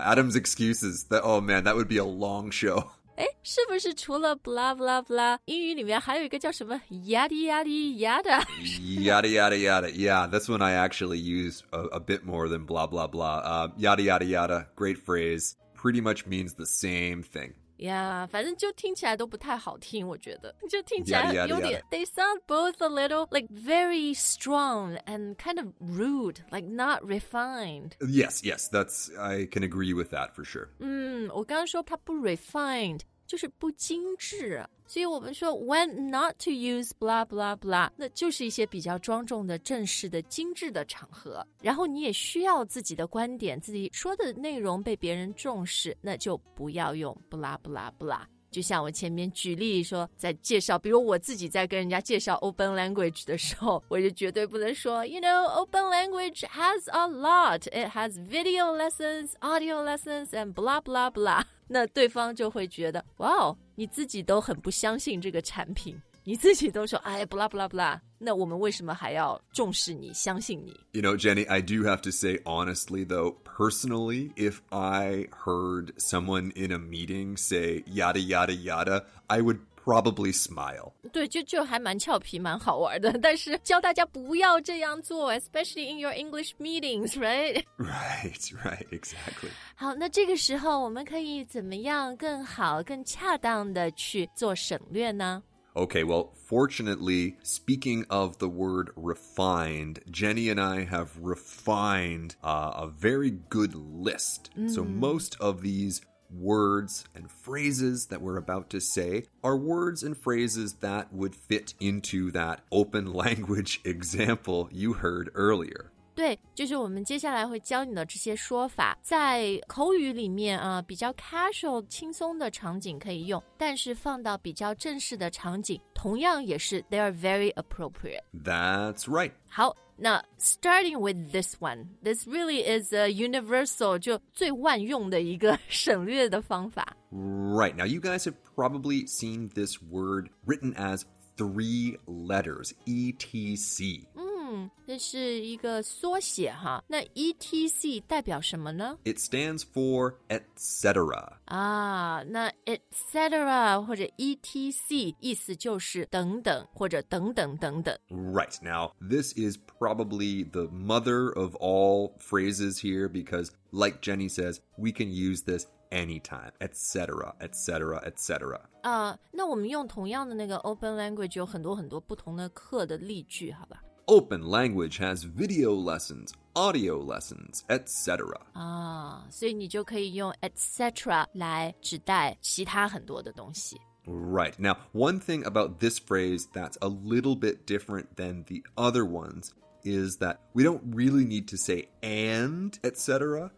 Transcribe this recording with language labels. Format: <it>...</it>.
<en>Adam's excuses, that, oh man, that would be a long show.</en> <zh>哎，是不是除了 blah blah blah， 英语里面还有一个叫什么 yada yada yada？</zh> <en>Yada yada yada. Yeah, this one I actually use a bit more than blah blah blah. Yada yada yada. Great phrase. Pretty much means the same thing.</en> <zh>Yeah, 反正就听起来都不太好听，我觉得就听起来有点</zh> <en>yada, yada, yada. They sound both a little like very strong and kind of rude, like not refined. Yes, yes, that's I can agree with that for sure.</en> <zh>我刚刚说它不 refined， 就是不精致。所以我们说 when not to use blah blah blah， 那就是一些比较庄重的、正式的、精致的场合。然后你也需要自己的观点、自己说的内容被别人重视，那就不要用 blah blah blah。就像我前面举例说，在介绍，比如我自己在跟人家介绍 open language 的时候，我就绝对不能说 ，</zh> <en>you know， open language has a lot， it has video lessons， audio lessons， and blah blah blah。</en> <zh>那对方就会觉得，哇哦，你自己都很不相信这个产品，你自己都说，哎 ，blah blah blah。那我们为什么还要重视你，相信你</zh> <en>？You know, Jenny, I do have to say honestly, though, personally, if I heard someone in a meeting say yada yada yada, I would probably smile.</en> <zh>对，就还蛮俏皮，蛮好玩的。但是教大家不要这样做 ，</zh> <en>especially in your English meetings, right? Right, right, exactly.</en> <zh>好，那这个时候我们可以怎么样更好、更恰当的去做省略呢？</zh> <en>Okay, well, fortunately, speaking of the word refined, Jenny and I have refined, a very good list. So most of these words and phrases that we're about to say are words and phrases that would fit into that open language example you heard earlier.</en> <zh>对，就是我们接下来会教你的这些说法，在口语里面啊，比较 casual 轻松的场景可以用，但是放到比较正式的场景，同样也是</zh> <en>they are very appropriate. That's right. 好，那 starting with this one, this really is a universal,</en> <zh>就最万用的一个省略的方法。</zh> <en>Right, now you guys have probably seen this word written as three letters, ETC.</en> <zh>这是一个缩写哈，那 ETC 代表什么呢？</zh> <en>It stands for etc.</en> <zh>啊，那 etc. 或者 ETC 意思就是等等或者等等等等。</zh> <en>Right, now this is probably the mother of all phrases here because like Jenny says, we can use this anytime, etc, etc, etc.</en> <zh>那我们用同样的那个 open language 有很多很多不同的课的例句好吧。</zh> <en>Open language has video lessons, audio lessons, etc.</en> <zh>所以你就可以用 etc. 来指代其他很多的东西。</zh> <en>Right. Now, one thing about this phrase that's a little bit different than the other ones is that we don't really need to say and etc.</en>